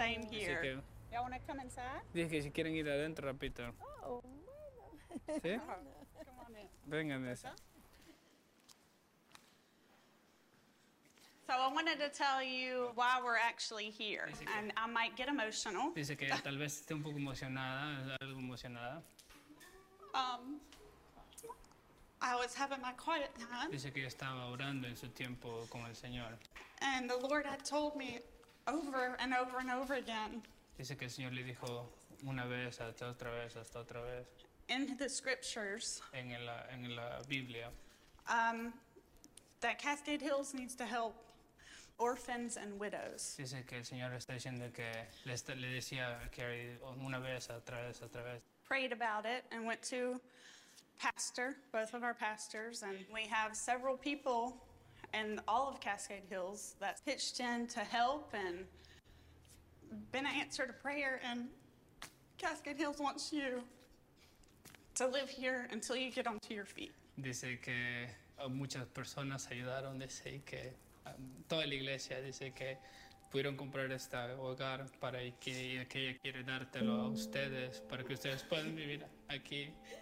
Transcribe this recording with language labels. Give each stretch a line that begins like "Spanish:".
English: Same here.
Spanish: Que,
English: y'all want to come inside?
Spanish: Dije, si quieren ir adentro, repito. Oh, bueno. Sí?
English: Come on in.
Spanish: Vengan.
English: So I wanted to tell you why we're actually here, and I might get emotional.
Spanish: Dice que tal vez esté un poco emocionada, algo emocionada.
English: I was having my quiet time.
Spanish: Dice que estaba orando en su tiempo con el Señor.
English: And the Lord had told me over and over and over again.
Spanish: Dice que el Señor le dijo una vez, hasta otra vez, hasta otra vez.
English: In the scriptures.
Spanish: En la Biblia.
English: That Cascade Hills needs to help orphans and widows.
Spanish: Dice que el Señor está diciendo que le decía a Carrie una vez, otra vez, otra vez.
English: Prayed about it and went to both of our pastors, and we have several people in all of Cascade Hills that pitched in to help and been an answer to prayer, and Cascade Hills wants you to live here until you get onto your feet.
Spanish: Dice que muchas personas ayudaron, dice que toda la iglesia dice que pudieron comprar este hogar para que ella quiere dártelo a ustedes para que ustedes puedan vivir aquí.